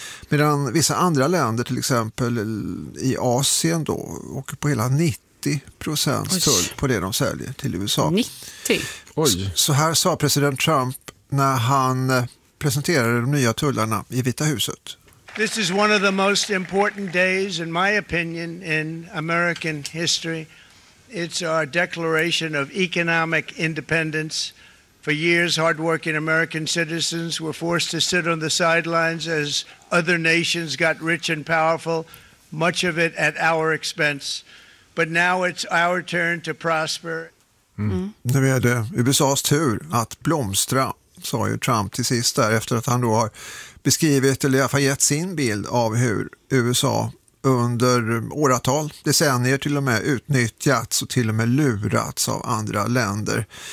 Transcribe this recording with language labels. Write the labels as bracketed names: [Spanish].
[Swedish] Medan vissa andra länder, till exempel i Asien då, åker på hela 90% tull på det de säljer till USA. 90? Oj. Så här sa president Trump när han presenterade de nya tullarna i Vita huset. [English] This is one of the most important days in my opinion in American history. It's our declaration of economic independence. For years, hardworking American citizens were forced to sit on the sidelines as other nations got rich and powerful, much of it at our expense. But now it's our turn to prosper. [Swedish] Nu är det USA:s tur att blomstra, sa ju Trump till sist där, efter att han då har beskrivit eller i alla fall gett sin bild av hur USA under åratal, decennier till och med, utnyttjats och till och med lurats av andra länder.